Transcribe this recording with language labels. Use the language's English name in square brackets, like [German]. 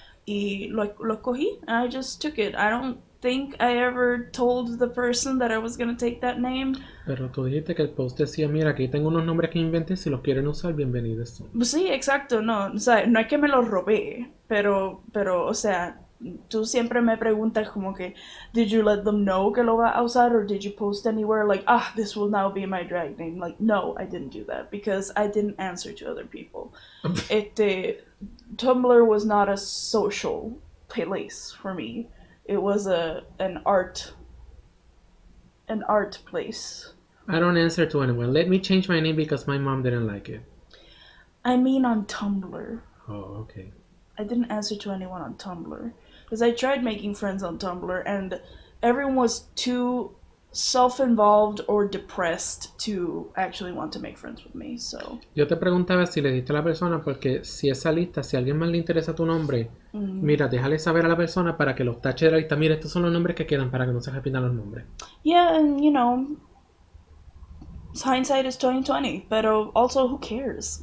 [Spanish] Y lo cogí [English] and I just took it. I don't think I ever told the person that I was going to take that name. [Spanish] Pero tú dijiste que el post decía, mira, aquí tengo unos nombres que inventé, si los quieren usar, bienvenidos. Sí, exacto, no, o sea, no es que me los robé, pero, o sea, tú siempre me preguntas como que, [English] did you let them know [Spanish] que lo va a usar, [English] or did you post anywhere, like, ah, this will now be my drag name. Like, no, I didn't do that, because I didn't answer to other people. Tumblr was not a social place for me. It was an art place. I don't answer to anyone. Let me change my name because my mom didn't like it. I mean on Tumblr. Oh, okay. I didn't answer to anyone on Tumblr. Because I tried making friends on Tumblr, and everyone was too self-involved or depressed to actually want to make friends with me, so... [Spanish] Yo te preguntaba si le diste a la persona, porque si esa lista, si a alguien más le interesa tu nombre, mira, déjale saber a la persona para que los tache de la lista. Mira, estos son los nombres que quedan para que no se repitan los nombres. [English] Yeah, and, you know, hindsight is 2020, pero also, who cares?